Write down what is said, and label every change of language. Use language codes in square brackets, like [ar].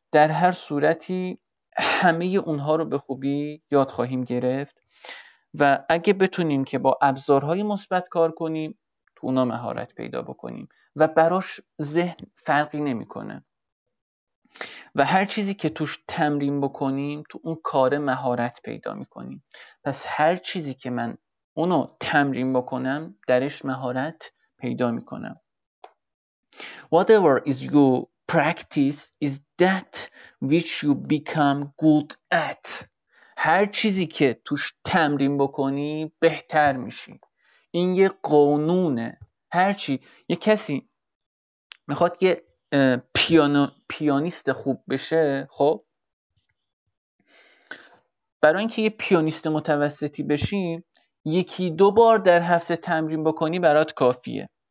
[fa] هر صورتی همه اونها رو به خوبی یاد خواهیم گرفت و اگه بتونیم که با ابزارهای مثبت کار کنیم، تو اونا مهارت پیدا بکنیم و براش ذهن فرقی نمی‌کنه و هر چیزی که توش تمرین بکنیم، تو اون کار مهارت پیدا می‌کنیم. پس هر چیزی که من اونو تمرین بکنم، درش مهارت پیدا می‌کنم. [en] Whatever is you practice is that which you become good at. [fa] هر چیزی که توش تمرین بکنی بهتر میشی. این یه قانونه. هرچی یه کسی میخواد یه پیانیست خوب بشه، خب برای اینکه یه پیانیست متوسطی بشی، یکی دو بار در هفته تمرین بکنی برات کافیه.